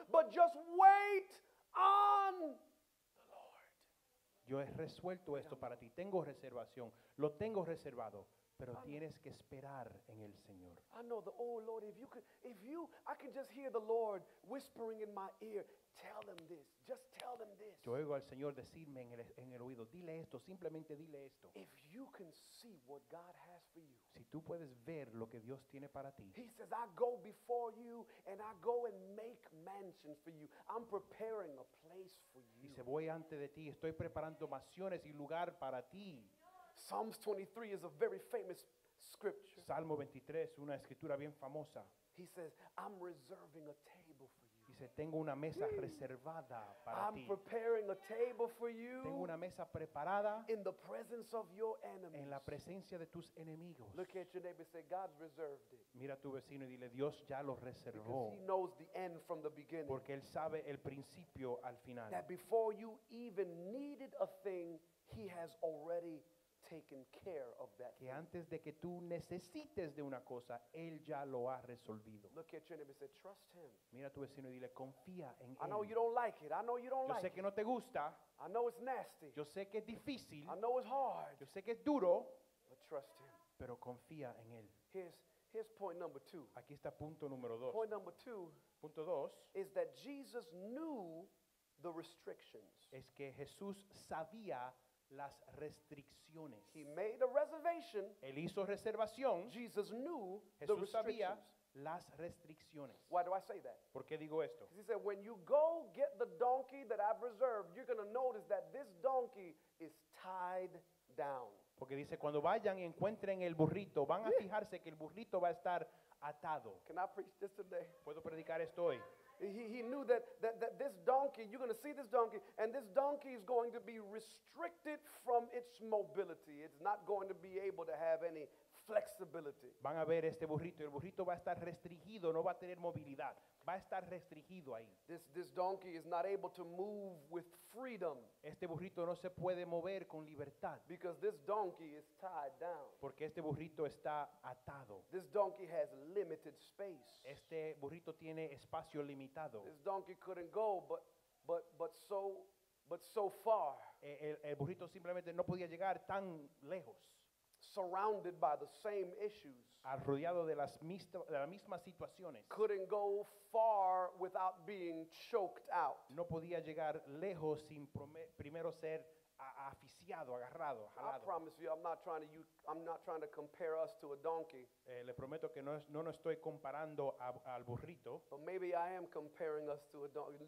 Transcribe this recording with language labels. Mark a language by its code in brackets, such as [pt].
[en] But just wait on the Lord. [es] Yo he resuelto esto para ti. Tengo reservación. Lo tengo reservado. Pero tienes que esperar en el Señor. [en] I know the, oh Lord, I can just hear the Lord whispering in my ear, tell them this, just tell them this. [es] Yo oigo al Señor decirme en el oído, dile esto, simplemente dile esto. [en] If you can see what God has for you. [es] Si tú puedes ver lo que Dios tiene para ti. [en] He says, I go before you and I go and make mansions for you. I'm preparing a place for you. [es] Dice, voy ante de ti, estoy preparando mansiones y lugar para ti. [en] Psalms 23 is a very famous scripture. [es] Salmo 23, una escritura bien famosa. [en] He says, I'm reserving a table for you. [es] Dice, tengo una mesa reservada para [en] I'm [es] ti. [en] I'm preparing a table for you. [es] Tengo una mesa preparada. [en] In the presence of your enemies. [es] En la presencia de tus enemigos. [en] Look at your neighbor and say, God's reserved it. [es] Mira a tu vecino y dile, Dios ya lo reservó. [en] Because he knows the end from the beginning. [es] Porque él sabe el principio al final. [en] That before you even needed a thing, he has already taken care of that [es] que antes de que tú necesites de una cosa él ya lo ha resolvido. [en] Look at your neighbor and say, trust him. [es] Mira a tu vecino y dile confía en él. [en] I know you don't like it. I know you don't [es] yo [en] like [es] sé que no te gusta. [en] I know it's nasty. [es] Yo sé que es difícil. [en] I know it's hard. [es] Yo sé que es duro. [en] But trust him. [es] Pero confía en él. [en] Here's point number two. [es] Aquí está punto número dos. [en] Point number two. [es] Punto dos. [en] Is that Jesus knew the restrictions. [es] Es que Jesús sabía las restricciones. [en] He made a reservation. [es] Él hizo reservación. [en] Jesus knew [es] Jesús [en] the [es] sabía las restricciones. [en] Why do I say that? [es] ¿Por qué digo esto? [en] He said, when you go get the donkey that I've reserved, you're going to notice that this donkey is tied down. [es] Porque dice, cuando vayan y encuentren el burrito, van a fijarse que el burrito va a estar atado. [en] Can I preach this today? [es] ¿Puedo predicar esto hoy? [en] He knew that this donkey, you're going to see this donkey, and this donkey is going to be restricted from its mobility. It's not going to be able to have any flexibility. [es] Van a ver este burrito. El burrito va a estar restringido, no va a tener movilidad. Va a estar restringido ahí. [en] This donkey is not able to move with freedom. [es] Este burrito no se puede mover con libertad. [en] Because this donkey is tied down. [es] Porque este burrito está atado. [en] This donkey has limited space. [es] Este burrito tiene espacio limitado. [en] This donkey couldn't go, but so far. [es] El burrito simplemente no podía llegar tan lejos. [en] Surrounded by the same issues. [es] Rodeado de las mismas situaciones. [en] Couldn't go far without being choked out. [es] No podía llegar lejos sin primero ser asfixiado, agarrado, jalado. [en] I promise you, I'm not trying to compare us to a donkey. [es] Le prometo que no estoy comparando al burrito. [en] But maybe I am comparing us to a donkey.